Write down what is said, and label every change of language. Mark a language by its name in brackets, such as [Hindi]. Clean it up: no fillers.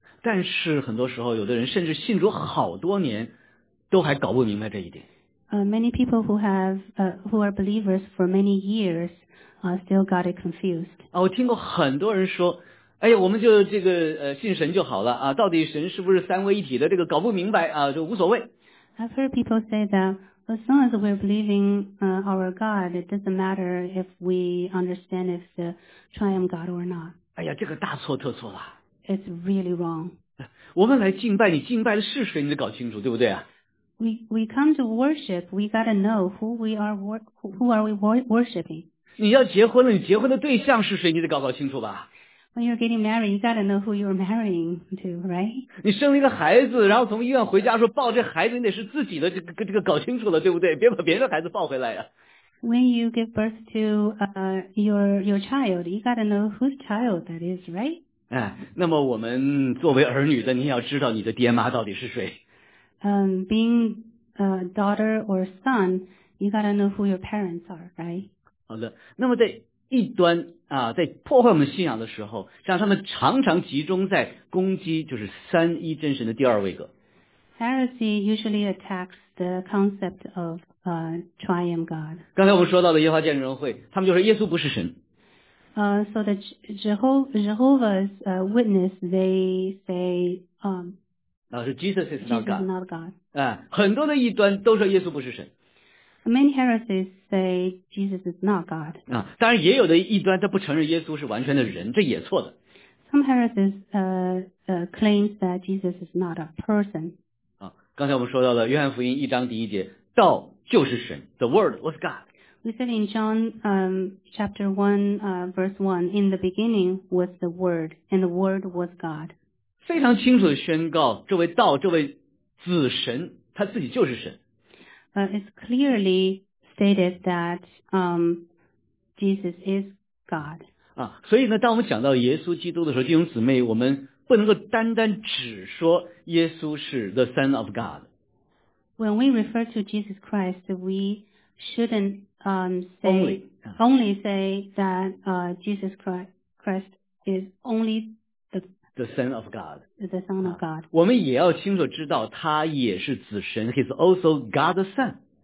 [Chinese] 但是很多时候，有的人甚至信主好多年，都还搞不明白这一点。 [English] Many people who are believers for many years, still got it confused. [Chinese] 啊，我听过很多人说，哎呀，我们就这个信神就好了啊，到底神是不是三位一体的这个搞不明白啊，就无所谓。 [English] I've heard people say that as long as we're believing our God, it doesn't matter if we understand if the Triune God or not. [Chinese] 哎呀，这个大错特错了。 [English] It's really wrong. [Chinese] 我们来敬拜你，敬拜的是谁，你得搞清楚，对不对啊？ [English] We come to worship. We gotta know who are we worshiping. [Chinese] 你要结婚了，你结婚的对象是谁？你得搞搞清楚吧。 [English] When you're getting married, you gotta know who you're marrying to, right? [Chinese] 你生了一个孩子，然后从医院回家说抱这孩子，你得是自己的，这个搞清楚了，对不对？别把别人的孩子抱回来呀。 [English] When you give birth to your child, you gotta know whose child that is, right? [Chinese] 哎，那么我们作为儿女的，你要知道你的爹妈到底是谁。 [English] Being a daughter or son, you gotta know who your parents are, right? [Chinese] 好的，那么在异端啊，在破坏我们信仰的时候，像他们常常集中在攻击就是三一真神的第二位格。 [English] Heresy usually attacks the concept of triune God. [Chinese] 刚才我们说到的耶和华见证会，他们就说耶稣不是神。 [English] So the Jehovah's witness, they say, Jesus is not God. Jesus is not God. [Chinese] 很多的异端都说耶稣不是神。 [English] Many heresies say Jesus is not God. [Chinese] 当然也有的异端他不承认耶稣是完全的人，这也错的。 [English] Some heresies claims that Jesus is not a person. [Chinese] 刚才我们说到了约翰福音一章第一节，道就是神 ， [English] The Word was God. We said in John chapter 1, verse 1, in the beginning was the Word, and the Word was God. [Chinese] 非常清楚的宣告，这位道，这位子神，他自己就是神。 [English] It's clearly stated that Jesus is God. [Chinese] 所以呢，当我们讲到耶稣基督的时候，弟兄姊妹，我们不能够单单只说耶稣是 [English] the Son of God. When we refer to Jesus Christ, we shouldn't say that Jesus Christ is only the Son of God. The Son of God. [Chinese] 我们也要清楚知道他也是子神 ， [English] He's also God the Son.